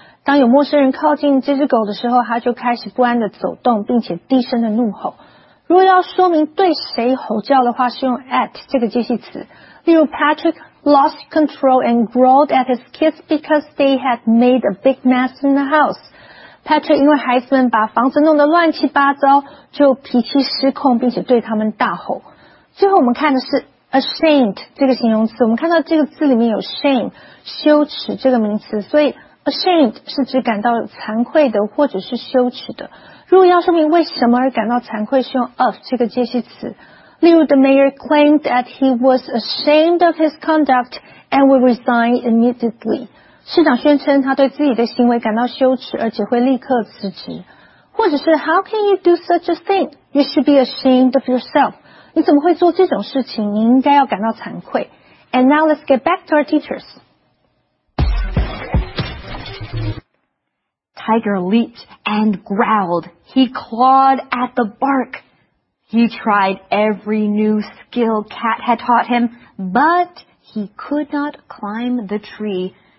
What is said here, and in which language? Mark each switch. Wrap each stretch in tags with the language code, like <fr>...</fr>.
<zh>当有陌生人靠近这只狗的时候，它就开始不安的走动，并且低声的怒吼。如果要说明对谁吼叫的话，是用 at 这个介系词。例如</zh> <en>，Patrick lost control and growled at his kids because they had made a big mess in the house。</en> <zh>Patrick 因为孩子们把房子弄得乱七八糟，就脾气失控，并且对他们大吼。最后我们看的是 ashamed 这个形容词。我们看到这个字里面有 shame 羞耻这个名词，所以 Ashamed 是指感到惭愧的或者是羞耻的。如果要说明为什么而感到惭愧，是用 of 这个介系词。例如</zh> <en>，The mayor claimed that he was ashamed of his conduct and would resign immediately.</en> <zh>市长宣称他对自己的行为感到羞耻，而且会立刻辞职。或者是</zh> <en>How can you do such a thing? You should be ashamed of yourself.</en> <zh>你怎么会做这种事情？你应该要感到惭愧。</zh> <en>And now let's get back to our teachers. Tiger leaped and growled. He clawed at the bark. He tried every new skill Cat had taught him, but he could not climb the tree.</en>